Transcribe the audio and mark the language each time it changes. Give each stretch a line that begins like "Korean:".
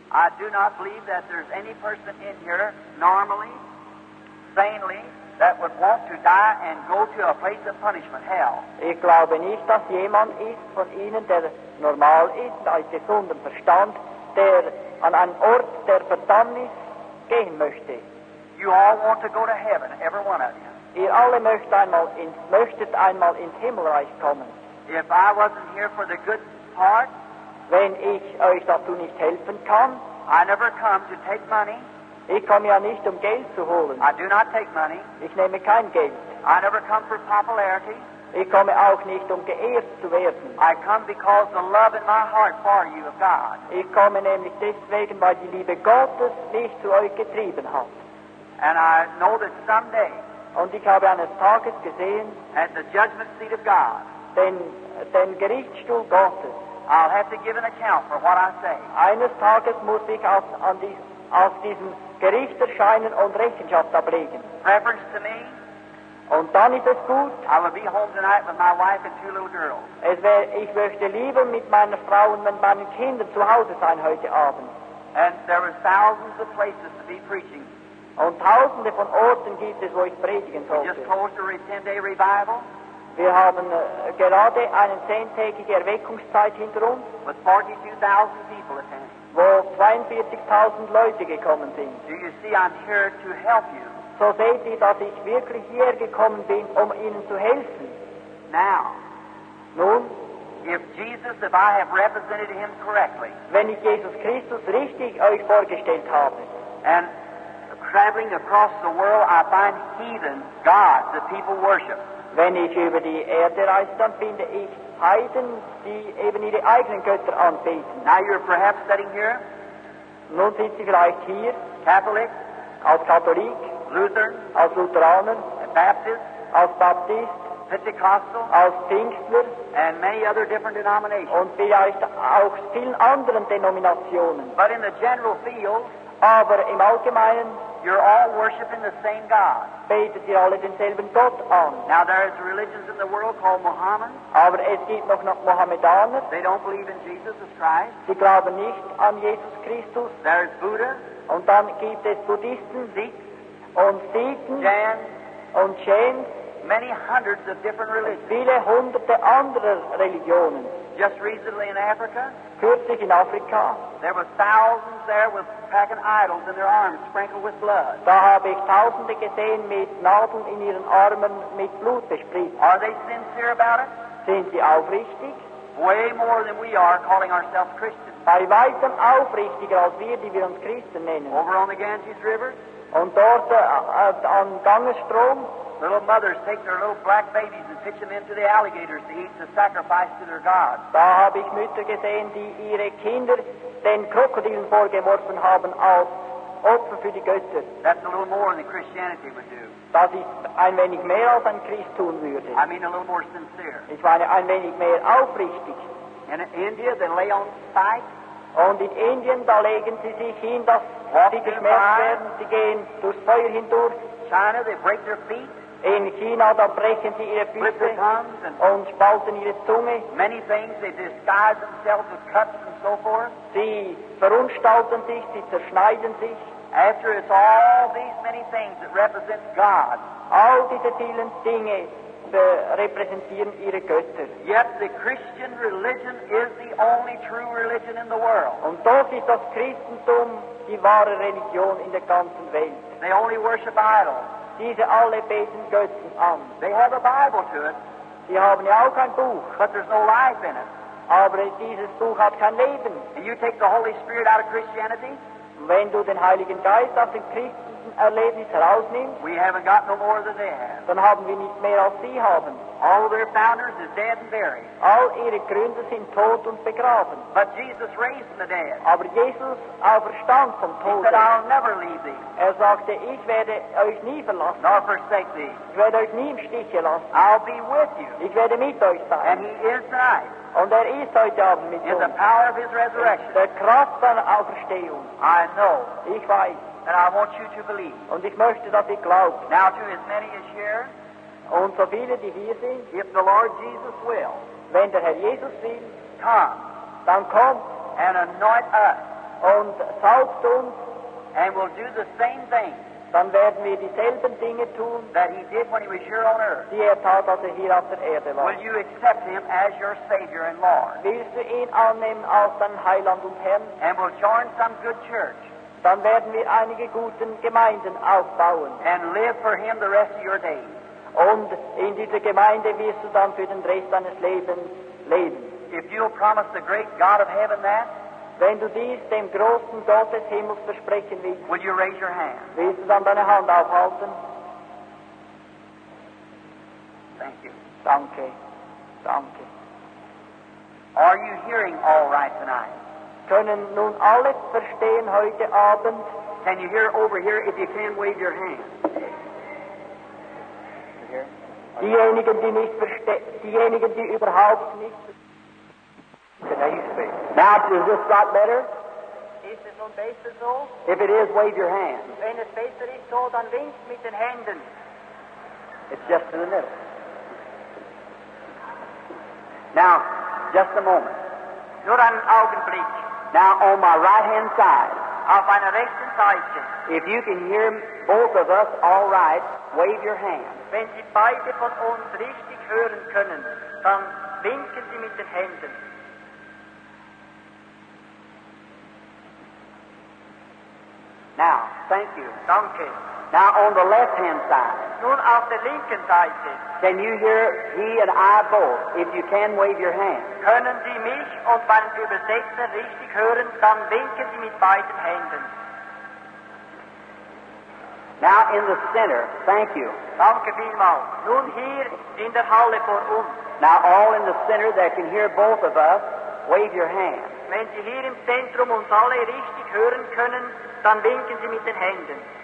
English: I do not believe that there's any person in here normally, sanely, that would want to die and go to a place of punishment, hell.
German: Ich glaube nicht, dass jemand ist von Ihnen, der normal ist, als gesunden Verstand, der an einen Ort der Verdammnis gehen möchte.
English: You all want to go to heaven, every one of you.
German: Ihr alle möchtet einmal ins Himmelreich kommen.
English: If I wasn't here for the good part,
German: wenn ich euch dazu nicht helfen kann,
English: I never come to take money.
German: Ich komme ja nicht, um Geld zu holen.
English: I do not take money.
German: Ich nehme kein Geld.
English: I never come for popularity.
German: Ich komme auch nicht, um geehrt zu werden.
English: I come because the love in my heart for you of God.
German: Ich komme nämlich deswegen, weil die Liebe Gottes mich zu euch getrieben hat.
English: And I know that someday,
German: und ich habe eines Tages gesehen,
English: at the judgment seat of God,
German: den Gerichtsstuhl Gottes,
English: I'll have to give an account for what I say.
German: Eines Tages muss ich auf diesem Gericht erscheinen und Rechenschaft ablegen.
English: Preference to me.
German: Und dann ist es gut.
English: I will be home tonight with my wife and two little girls.
German: Ich möchte lieber mit meiner Frau und mit meinen Kindern zu Hause sein heute Abend.
English: And there are thousands of places to be preaching.
German: Und tausende von Orten gibt es, wo ich predigen soll.
English: We just closed a 10-day revival.
German: Wir haben gerade eine 10-tägige Erweckungszeit hinter uns.
English: With 42,000 people attending.
German: Wo 42,000 Leute gekommen sind.
English: Do you see I'm here to help you?
German: So seht ihr, dass ich wirklich hier gekommen bin, um Ihnen zu helfen.
English: Now,
German: nun,
English: if I have represented him correctly,
German: wenn ich Jesus Christus richtig euch vorgestellt habe,
English: and traveling across the world, I find heathen gods that people worship.
German: Wenn ich über die Erde reise, dann finde ich Heiden, die eben ihre eigenen Götter anbeten.
English: Now you're perhaps sitting here.
German: Nun sind Sie vielleicht hier.
English: Catholic.
German: Als Katholik.
English: Lutheran.
German: Als Lutheraner.
English: Baptist.
German: Als Baptist.
English: Pentecostal.
German: Als Pfingstler.
English: And many other different denominations.
German: Und vielleicht auch vielen anderen Denominationen.
English: But in the general field.
German: Aber im Allgemeinen.
English: You're all worshiping the same God.
German: Betet ihr alle denselben Gott an.
English: Now there is religions in the world called Mohammed.
German: Aber es gibt noch Mohammedaner.
English: They don't believe in Jesus as Christ.
German: Sie glauben nicht an Jesus Christus.
English: There is Buddha.
German: Und dann gibt es Buddhisten.
English: Sikhs.
German: Und Sikhen.
English: Jain.
German: Und Jain.
English: Many hundreds of different religions.
German: Viele hunderte anderer Religionen.
English: Just recently in Africa.
German: Kürzlich in Afrika.
English: There were thousands there with pagan idols in their arms, sprinkled with blood.
German: Da habe ich Tausende gesehen mit Nadeln in ihren Armen mit Blut besprüht.
English: Are they sincere about it?
German: Sind sie aufrichtig?
English: Way more than we are calling ourselves Christians.
German: Bei weitem aufrichtiger als wir, die wir uns Christen nennen.
English: Over on the Ganges River.
German: Und dort an Gangesstrom.
English: Little mothers take their little black babies and pitch them into the alligators to eat the sacrifice to their gods.
German: Da habe ich Mütter gesehen, die ihre Kinder den Krokodilen vorgeworfen haben als Opfer für die Götter.
English: That's a little more than Christianity would do.
German: Das ist ein wenig mehr als ein Christ tun würde.
English: I mean a little more sincere.
German: Ich meine ein wenig mehr aufrichtig.
English: In India, they lay on spikes.
German: Und in Indien, da legen sie sich hin, dass
English: walk
German: sie geschmerzt werden. Sie gehen durchs Feuer hindurch.
English: China, they break their feet.
German: In China, da brechen sie ihre Füße und spalten ihre Zunge.
English: Many things, they disguise themselves with cuts and so forth.
German: Sie verunstalten sich, sie zerschneiden sich.
English: After it's all these many things that represent God.
German: All diese vielen Dinge repräsentieren ihre Götter.
English: Yet the Christian religion is the only true religion in the world.
German: Und doch ist das Christentum die wahre Religion in der ganzen Welt.
English: They only worship idols.
German: Diese alle beten Götzen an.
English: They have a Bible to it.
German: Sie haben ja auch ein Buch.
English: But there's no life in it.
German: Aber dieses Buch hat kein Leben.
English: And you take the Holy Spirit out of Christianity?
German: Wenn du den Heiligen Geist aus dem christlichen Erlebnis herausnimmst,
English: we haven't got no more than they have.
German: Dann haben wir nicht mehr als sie haben.
English: All their founders are dead and buried.
German: All ihre Gründer sind tot und begraben.
English: But Jesus raised from the dead.
German: Aber Jesus auferstand vom Tod.
English: He said, I'll never leave thee.
German: Er sagte, ich werde euch nie verlassen.
English: Nor forsake thee.
German: Ich werde euch nie im Stich lassen.
English: I'll be with you.
German: Ich werde mit euch sein.
English: And he is tonight.
German: Und ist heute Abend mit in uns.
English: The power of his resurrection.
German: Der Kraft seiner Auferstehung.
English: I know.
German: Ich weiß.
English: And I want you to believe.
German: Und ich möchte, dass ihr glaubt.
English: Now to as many as share.
German: Und so viele, die hier sind.
English: If the Lord Jesus will.
German: Wenn der Herr Jesus will.
English: Come.
German: Dann kommt.
English: And anoint us.
German: Und salbt uns.
English: And we'll do the same thing.
German: Dann werden wir dieselben Dinge tun,
English: that he did when he was here on earth.
German: Die tat, als hier auf der Erde war.
English: Will you accept him as your Savior and Lord?
German: Willst du ihn annehmen als dein Heiland und Herrn?
English: And we'll join some good church.
German: Dann werden wir einige guten Gemeinden aufbauen.
English: And live for him the rest of your days.
German: Und in dieser Gemeinde wirst du dann für den Rest deines Lebens leben.
English: If you'll promise the great God of heaven that,
German: wenn du dies dem großen Gott des Himmels versprechen willst,
English: will you raise your hand?
German: Willst du dann deine Hand aufhalten?
English: Thank you.
German: Danke. Danke.
English: Are you hearing all right tonight?
German: Können nun alle verstehen heute Abend?
English: Can you hear over here if you can wave your hand?
German: Diejenigen, die überhaupt nicht verstehen.
English: Now, you speak. Now, is this lot better? Is it on base so? If it is, wave your hand.
German: Wenn es besser ist, so dann winkt mit den Händen.
English: It's just in the middle. Now, just a moment.
German: Nur einen Augenblick.
English: Now, on my right hand side.
German: Auf meiner rechten Seite.
English: If you can hear both of us all right, wave your hand.
German: Wenn Sie beide von uns richtig hören können, dann winken Sie mit den Händen.
English: Now, thank you.
German: Danke.
English: Now, on the left-hand side.
German: Nun auf der linken Seite.
English: Can you hear he and I both, if you can wave your hand?
German: Können Sie mich und meinen Übersetzer richtig hören, dann winken Sie mit beiden Händen.
English: Now in the center, thank you.
German: Danke vielmals. Nun hier in der Halle vor uns.
English: Now all in the center that can hear both of us, wave your hand.
German: Wenn Sie hier im Zentrum uns alle richtig hören können, dann winken Sie mit den Händen.